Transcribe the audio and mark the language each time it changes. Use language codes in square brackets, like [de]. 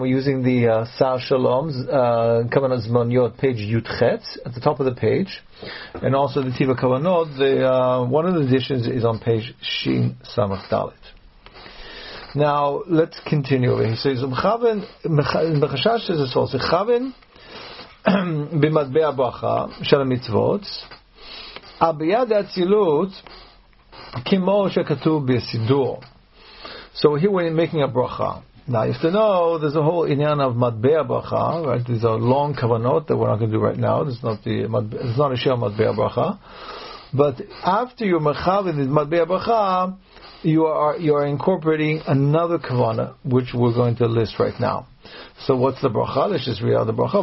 [en] We're using the Sar Shalom, Kavanah Zmoniot, page Yutchet, at the top of the page, and also the Tiva Kavanot. One of the editions is on page Shin Samach Dalet. Now let's continue. He says, "Mechaven Mechashash is a source. Mechaven." [he] במטבע הברכה של המצוות אביד האצילות כמו שכתוב בסידור. [en] So here we're making a bracha. Now you have to know there's a whole inyan of matbeh right? Bracha. These are long kavanot that we're not going to do right now. This is not a shir matbeh bracha. But after you're mechavin the matbeh bracha, you are incorporating another kavana which we're going to list right now. So what's the bracha? Let's just read out the bracha.